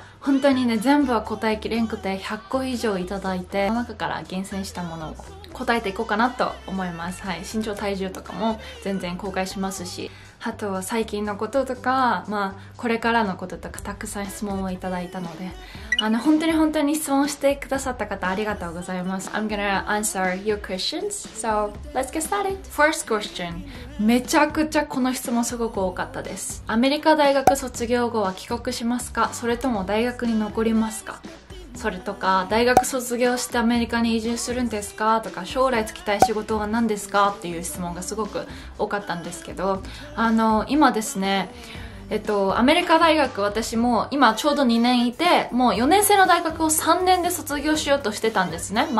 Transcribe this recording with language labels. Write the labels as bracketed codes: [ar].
[ja] 本当にね、全部は答えきれんくて100個以上いただいて、その中から厳選したものを答えていこうかなと思います。はい、身長体重とかも全然公開しますし、あとは最近のこととか、まあこれからのこととかたくさん質問をいただいたので、あの本当に本当に質問してくださった方ありがとうございます。 [en] I'm gonna answer your questions, so let's get started. First question、 [ja] めちゃくちゃこの質問すごく多かったです。アメリカ大学卒業後は帰国しますか、それとも大学に残りますか、それとか大学卒業してアメリカに移住するんですかとか、将来就きたい仕事は何ですかっていう質問がすごく多かったんですけど、あの今ですね、アメリカ大学、私も今ちょうど2年いて、もう4年生の大学を3年で卒業しようとしてたんですね。